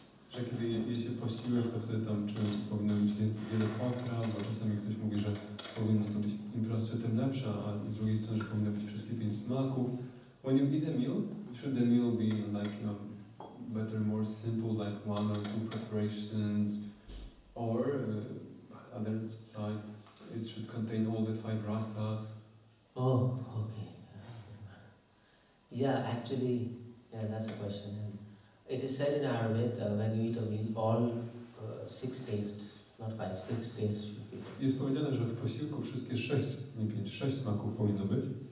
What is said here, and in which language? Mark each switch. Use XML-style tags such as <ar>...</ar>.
<pl>Że kiedy je się posiłek, to wtedy tam, czy powinno być wiele potraw, bo czasami ktoś mówi, że powinno to być im prostsze, tym lepsze, a z drugiej strony, że powinno być wszystkie pięć smaków.</pl> <en>When you eat a meal, should the meal be like, you know, better, more simple, like one or two preparations, or other side, it should contain all the five rasas. Oh, okay. Yeah, actually, yeah, that's a question. It is said in Ayurveda, when you eat a meal, all six tastes, not five, six tastes should be.</en> <pl>Jest powiedziane, że w posiłku wszystkie sześć, nie pięć, sześć smaków powinno być.</pl>